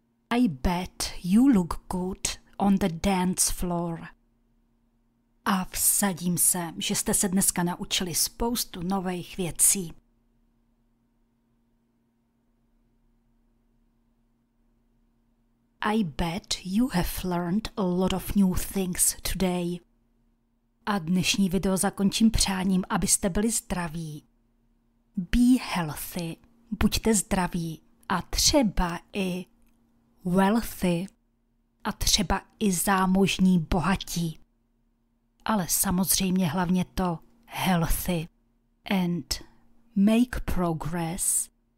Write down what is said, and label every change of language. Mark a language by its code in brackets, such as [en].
[en] I bet you look good on the dance floor. [cs] A vsadím se, že jste se dneska naučili spoustu nových věcí. [en] I bet you have learned a lot of new things today. [cs] A dnešní video zakončím přáním, abyste byli zdraví. [en] Be healthy, [cs] buďte zdraví a třeba i wealthy a třeba i zámožní bohatí. Ale samozřejmě hlavně to [en] healthy and make progress.